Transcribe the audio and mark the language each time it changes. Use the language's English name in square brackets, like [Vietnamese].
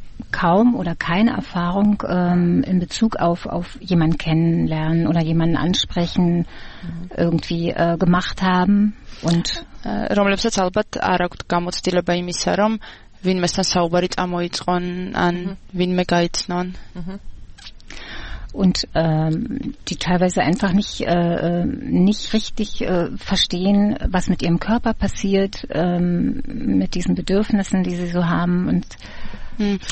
[German] kaum oder keine Erfahrung in Bezug auf jemanden kennenlernen oder jemanden ansprechen irgendwie gemacht haben und [Georgian] რომლებსაც ალბათ არ აქვთ გამოცდილება იმისა რომ ვინმესთან საუბარი წამოიწყონ ან ვინმე გაიცნონ [German] und die teilweise einfach nicht richtig verstehen, was mit ihrem Körper passiert, mit diesen Bedürfnissen, die sie so haben und